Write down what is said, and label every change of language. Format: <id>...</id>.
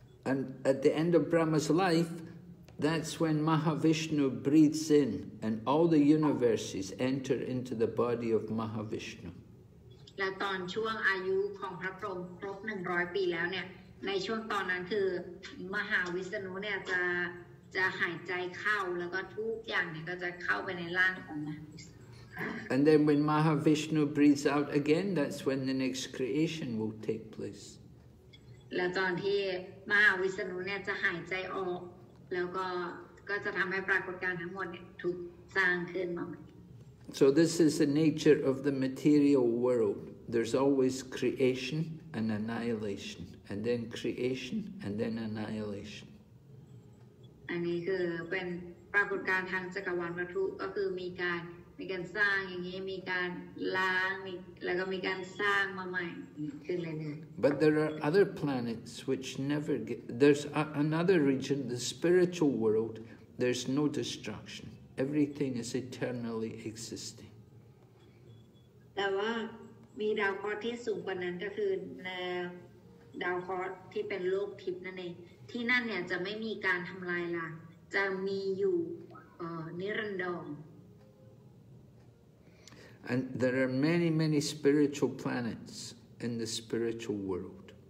<en>And at the end of Brahma's life, that's when Mahavishnu breathes in and all the universes enter into the body of Mahavishnu.</en> <th>และตอนช่วงอายุของพระพรหมครบ100ปีแล้วเนี่ยในช่วงตอนนั้นคือมหาวิษณุเนี่ยจะหายใจเข้าแล้วก็ทุกอย่างเนี่ยก็จะเข้าไปในร่างของมหาวิษณุ</th> <en>And then when Mahavishnu breathes out again that's when the next creation will take place</en> <th>และตอนที่มหาวิษณุเนี่ยจะหายใจออกแล้วก็จะทำให้ปรากฏการณ์ทั้งหมดเนี่ยถูกสร้างขึ้นมา</th> <en>So this is the nature of the material world. There's always creation and annihilation, and then creation and then annihilation.</en> <th>อันนี้คือเป็นปรากฏการณ์ทางจักรวาลวัตถุก็คือมีการสร้างอย่างนี้มีการล้างแล้วก็มีการสร้างมาใหม่ขึ้นเรื่อย</th> <en>ๆ But there are other planets which never get. There's another region, the spiritual world. There's no destruction. Everything is eternally existing.</en> <th>แต่ว่ามีดาวเคราะห์ที่สูงกว่านั้นก็คือในดาวเคราะห์ที่เป็นโลกทิพย์นั่นเองที่นั่นเนี่ยจะไม่มีการทำลายล้างจะมีอยู่นิรันดร</th> <en>And there are many, many spiritual planets in the spiritual world.</en>